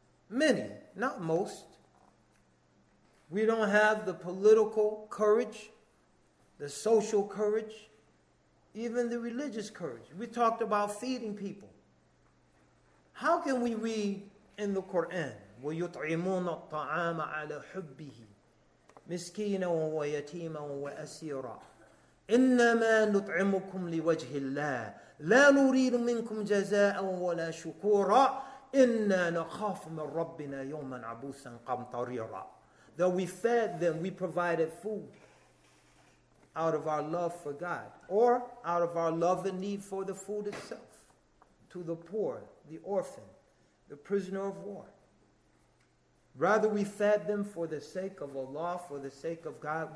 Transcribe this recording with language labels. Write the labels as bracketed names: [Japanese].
[English] Many, not most. We don't have the political courage, the social courage, even the religious courage. We talked about feeding people. How can we read in the Quran, [Arabic] وَيُطْعِمُونَ الطَّعَامَ عَلَى حُبِّهِ مِسْكِينًا وَيَتِيمًا وَأَسِيرًا إنما نطعمكم لوجه الله لا نريد منكم جزاء ولا شكورا إنا نخاف من ربنا يوما عبوسا قمطريرا. [English] Though we fed them, we provided food out of our love for God, or out of our love and need for the food itself, to the poor, the orphan, the prisoner of war. Rather, we fed them for the sake of Allah, for the sake of God.